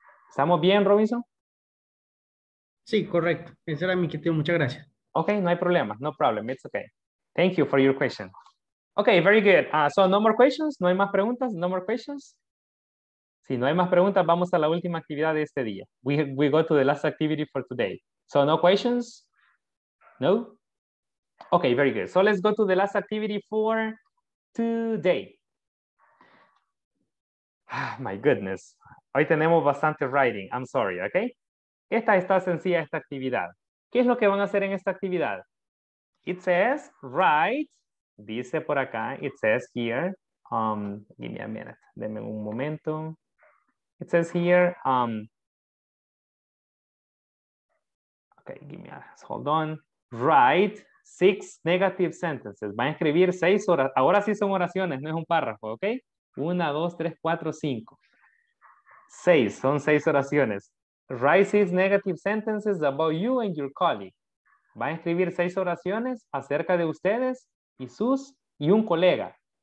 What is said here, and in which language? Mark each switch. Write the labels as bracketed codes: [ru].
[es] ¿Estamos bien, Robinson? Sí, correcto. Ese era mi objetivo. Muchas gracias. [en] Okay, [es] no hay problema. [en] No problem. It's okay. Thank you for your question. Okay, very good. So no more questions. [es] No hay más preguntas. [en] No more questions. [es] Si no hay más preguntas, vamos a la última actividad de este día. [en] We go to the last activity for today. So no questions? No? Okay, very good. So let's go to the last activity for today. My goodness. [es] Hoy tenemos bastante [en] writing. I'm sorry, okay? [es] Esta está sencilla, esta actividad. ¿Qué es lo que van a hacer en esta actividad? [en] It says, write, [es] dice por acá, [en] it says here, give me a minute, [es] denme un momento. [en] It says here, okay, give me a, hold on. Write 6 negative sentences. [es] Van a escribir 6 horas. Ahora sí son oraciones, no es un párrafo, ¿ok? 1, 2, 3, 4, 5. 6, son 6 oraciones. [en] Write 6 negative sentences about you and your colleague. [es] Va a escribir 6 oraciones acerca de ustedes y sus y un colega.